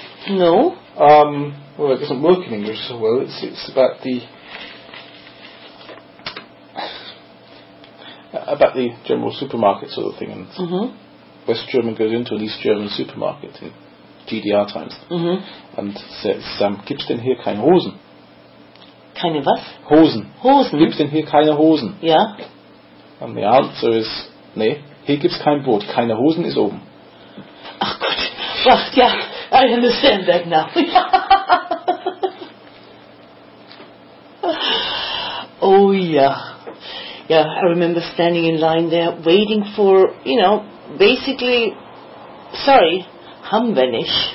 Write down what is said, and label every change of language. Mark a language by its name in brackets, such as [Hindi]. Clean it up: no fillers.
[English] No. Well, it doesn't work in English so well. It's about the... about the general supermarket sort of thing. And West German goes into an East German supermarket in GDR times. And says, [German] gibt's denn hier keine Hosen? Keine was? Hosen. Hosen? Gibt's denn hier keine Hosen? Ja. [English] And the answer is, [German] nee, hier gibt's kein Brot. Keine Hosen ist oben. Ach Gott, ach ja, [English] I understand that now. Oh yeah. Yeah, I remember standing in line there, waiting for, you know, basically, sorry, Hamvenish.